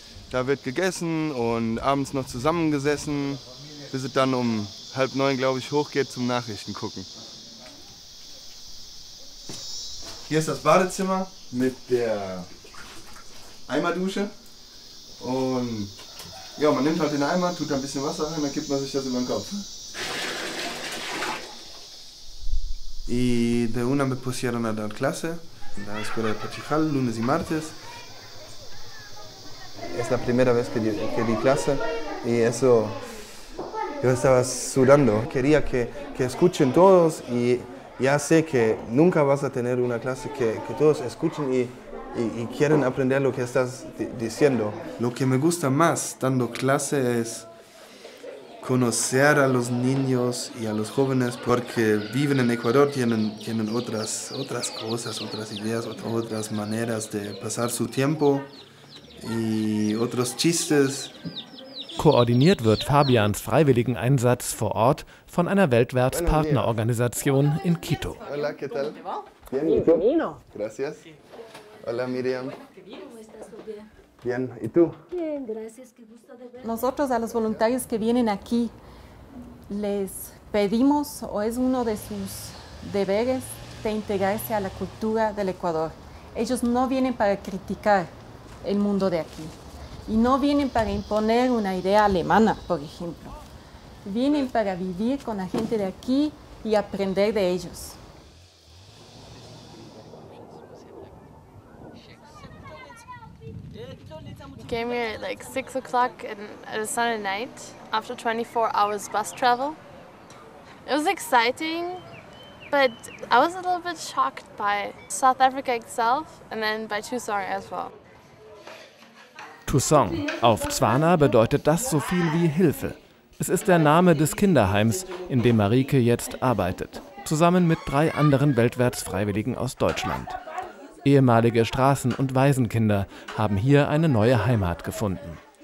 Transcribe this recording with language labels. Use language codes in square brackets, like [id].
[de] Da wird gegessen und abends noch zusammengesessen, bis es dann um 8:30, glaube ich, hochgeht zum Nachrichten gucken. Hier ist das Badezimmer mit der Eimerdusche. Und ja, man nimmt halt den Eimer, tut da ein bisschen Wasser rein, dann kippt man sich das über den Kopf. [es] Y de una me pusieron a dar clase en la escuela de Pachijal, lunes y martes. Es la primera vez que di clase y eso, yo estaba sudando. Quería que escuchen todos y ya sé que nunca vas a tener una clase que todos escuchen y quieren aprender lo que estás diciendo. Lo que me gusta más dando clase es conocer a los niños y a los jóvenes porque viven en Ecuador, tienen otras cosas, otras ideas, otras maneras de pasar su tiempo y otros chistes. [de] Koordiniert wird Fabians Freiwilligeneinsatz vor Ort von einer weltweits Partnerorganisation in Quito. [es] Hola, ¿qué tal? Bienvenido. Gracias. Hola, Miriam. Bien, ¿y tú? Bien, gracias, qué gusto de verte. Nosotros a los voluntarios que vienen aquí les pedimos, o es uno de sus deberes, de integrarse a la cultura del Ecuador. Ellos no vienen para criticar el mundo de aquí y no vienen para imponer una idea alemana, por ejemplo. Vienen para vivir con la gente de aquí y aprender de ellos. [en] I came here at like 6 o'clock at a Sunday night after 24 hours bus travel. It was exciting, but I was a little bit shocked by South Africa itself and then by Tsuang as well. [de] Tsuang, auf Tswana bedeutet das so viel wie Hilfe. Es ist der Name des Kinderheims, in dem Marieke jetzt arbeitet, zusammen mit 3 anderen Weltwärtsfreiwilligen aus Deutschland. Ehemalige Straßen- und Waisenkinder haben hier eine neue Heimat gefunden.